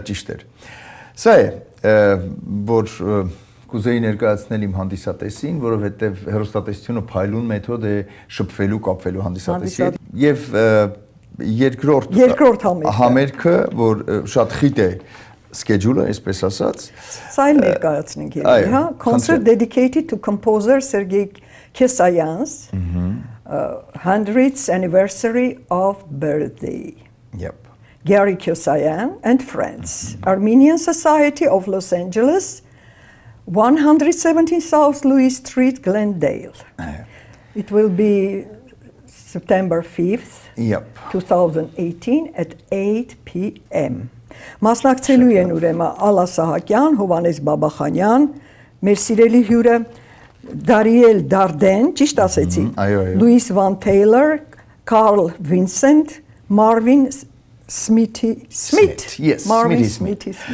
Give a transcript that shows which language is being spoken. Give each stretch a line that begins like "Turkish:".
Armenian: Շատ ճիշտ է։ Սա է, որ կուզեի ներկայացնել իմ հանդիսատեսին, որովհետև հերոստատեսությունը փայլուն մեթոդ է շփվելու, կապվելու հանդիսատեսի հետ։ Եվ երկրորդ համերգը, որ շատ խիտ է սքեջուլը, այսպես ասած, սա է ներկայացնենք երկրի, հա,
English: concert dedicated to composer Sergey Kesayans, 100th anniversary of birthday. Yep. Gary Kesayan and friends, Armenian Society of Los Angeles, 117 South Louis Street, Glendale. It will be September 5th, 2018 at 8 p.m.
Armenian: Մասնակցելու են ուրեմն Ալա Սահակյան, Հովհանես Բաբախանյան, մեր սիրելի հյուրը Դարիել Դարդեն, ճիշտ ասեցի, Լուիս Վան Թեյլոր, Կարլ Վինսենտ, Մարվին Սմիթի Սմիթ։